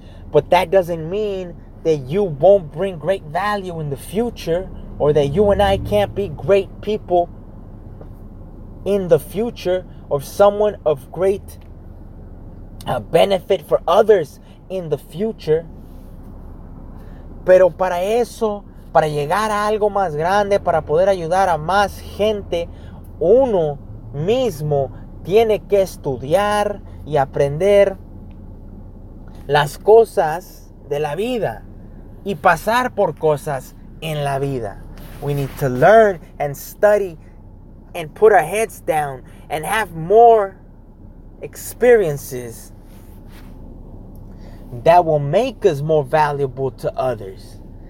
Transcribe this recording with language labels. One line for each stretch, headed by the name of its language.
English: But that doesn't mean that you won't bring great value in the future, or that you and I can't be great people in the future, or someone of great benefit for others in the future.
Spanish: Pero para eso, para llegar a algo más grande, para poder ayudar a más gente, uno mismo tiene que estudiar y aprender las cosas de la vida y pasar por cosas en la vida.
English: We need to learn and study and put our heads down and have more experiences that will make us more valuable to others.